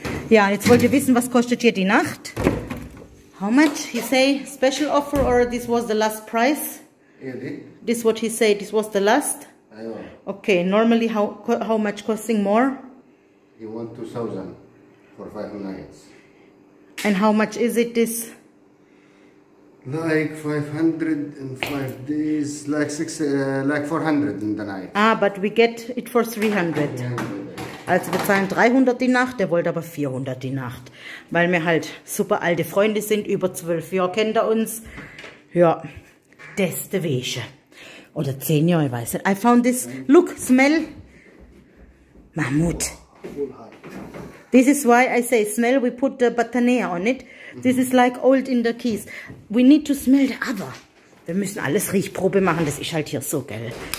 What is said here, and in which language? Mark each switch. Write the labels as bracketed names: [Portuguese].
[German] Ja, jetzt wollt ihr wissen, was kostet hier die Nacht? [English] How much? He say special offer or this was the last price? This what he say, this was the last? Okay, normally how much costing more? You want 2,000 for 5 nights. And how much is it this? Like 500 in 5 days, like 400 in the night. Ah, but we get it for 300. [German] Also wir zahlen 300 die Nacht, der wollte aber 400 die Nacht. Weil wir halt super alte Freunde sind, über 12 Jahre kennt er uns. Ja, das der Wäsche. Oder 10 Jahre, ich weiß nicht. [English] I found this, look, smell. Mammut. This is why I say smell, we put the Batanea on it. This is like old in the keys. We need to smell the other. [German] Wir müssen alles Riechprobe machen, das ist halt hier so, gell.